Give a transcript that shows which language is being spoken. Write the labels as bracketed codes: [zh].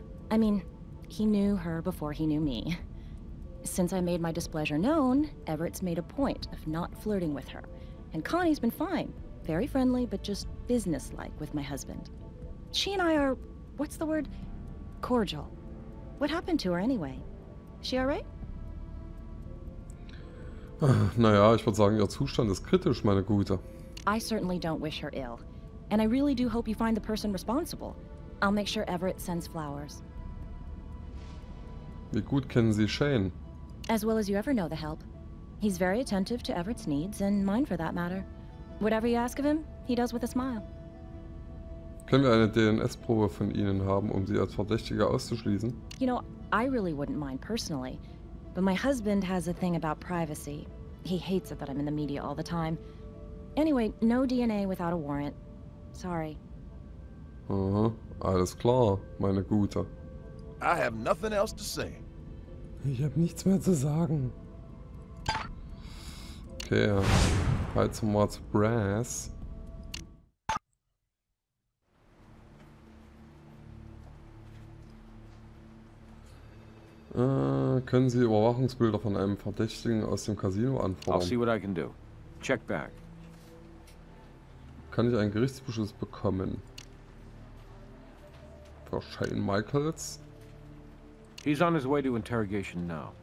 [en] I mean, he knew her before he knew me. Since I made my displeasure known, Everett's made a point of not flirting with her. And Connie's been fine. Very friendly, but just businesslike with my husband. She and I are, what's the word? Cordial. What happened to her anyway? She all right? [de] Naja, ich würde sagen, ihr Zustand ist kritisch, meine Gute. [en] I certainly don't wish her ill. And I really do hope you find the person responsible. I'll make sure Everett sends flowers. [de] Wie gut kennen Sie Shane? [en] As well as you ever know the help. He's very attentive to Everett's needs, and mine for that matter. Whatever you ask of him, he does with a smile. [de] Können wir eine DNS-Probe von Ihnen haben, um Sie als Verdächtige auszuschließen? [en] You know, I really wouldn't mind personally. But my husband has a thing about privacy. He hates it that I'm in the media all the time. Anyway, no DNA without a warrant. Sorry. [de] Alles klar, meine Gute. [en] I have nothing else to say. [de] Ich habe nichts mehr zu sagen. Okay, halt zum Wort Brass. Können Sie Überwachungsbilder von einem Verdächtigen aus dem Casino anfordern? [en] I'll see what I can do. Check back. [de] Kann ich einen Gerichtsbeschluss bekommen? Für Shane Michaels? [en] He's on his way to interrogation now.